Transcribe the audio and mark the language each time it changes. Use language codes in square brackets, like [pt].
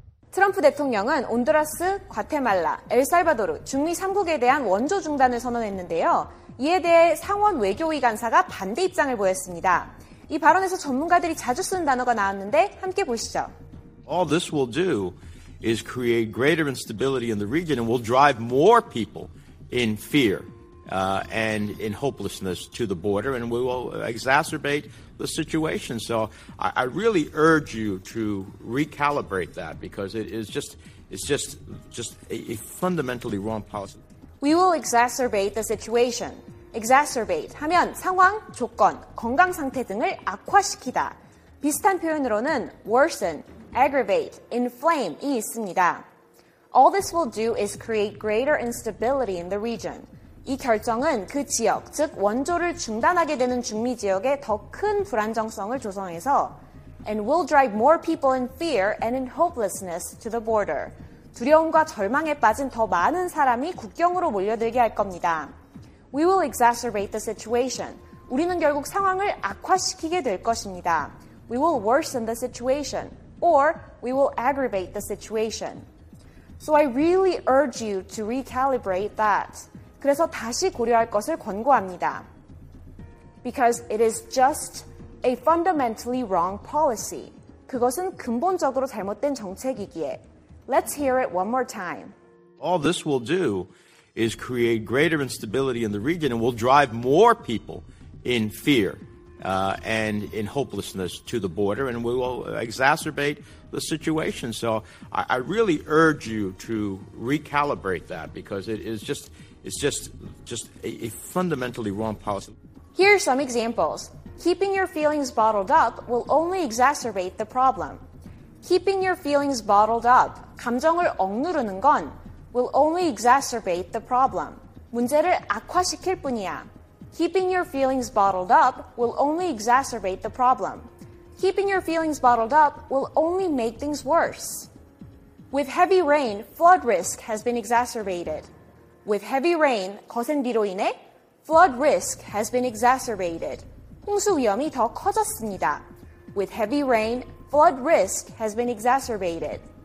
[ko] 트럼프 대통령은 온두라스, 과테말라, 엘살바도르, 중미 3국에 대한 원조 중단을 선언했는데요. 이에 대해 상원 외교위 간사가 반대 입장을 보였습니다. 이 발언에서 전문가들이 자주 쓰는 단어가 나왔는데 함께 보시죠. [en] All this will do is create greater instability in the region and will drive more people in fear and in hopelessness to the border and we will exacerbate the situation. So I really urge you to recalibrate that because it is just a fundamentally wrong policy. We will exacerbate the situation. Exacerbate [ko] 하면 상황, 조건, 건강 상태 등을 악화시키다. 비슷한 표현으로는 worsen, aggravate, inflame 이 있습니다. [en] All this will do is create greater instability in the region. [ko] 이 결정은 그 지역, 즉 원조를 중단하게 되는 중미 지역에 더 큰 불안정성을 조성해서 [en] and will drive more people in fear and in hopelessness to the border. [ko] 두려움과 절망에 빠진 더 많은 사람이 국경으로 몰려들게 할 겁니다. [en] We will exacerbate the situation. [ko] 우리는 결국 상황을 악화시키게 될 것입니다. [en] We will worsen the situation or we will aggravate the situation. So I really urge you to recalibrate that. [ko] 그래서 다시 고려할 것을 권고합니다. [en] Because it is just a fundamentally wrong policy. [ko] 그것은 근본적으로 잘못된 정책이기에. [en] Let's hear it one more time. All this will do is create greater instability in the region and will drive more people in fear and in hopelessness to the border and we will exacerbate the situation. So I really urge you to recalibrate that because it is just a fundamentally wrong policy. Here are some examples. Keeping your feelings bottled up will only exacerbate the problem. Keeping your feelings bottled up, [ko] 감정을 억누르는 건 [en] will only exacerbate the problem. [ko] 문제를 악화시킬 뿐이야. [en] Keeping your feelings bottled up will only exacerbate the problem. Keeping your feelings bottled up will only make things worse. With heavy rain, flood risk has been exacerbated. With heavy rain, [ko] 거센 비로 인해 [en] flood risk has been exacerbated. [ko] 홍수 위험이 더 커졌습니다. [en] With heavy rain, flood risk has been exacerbated.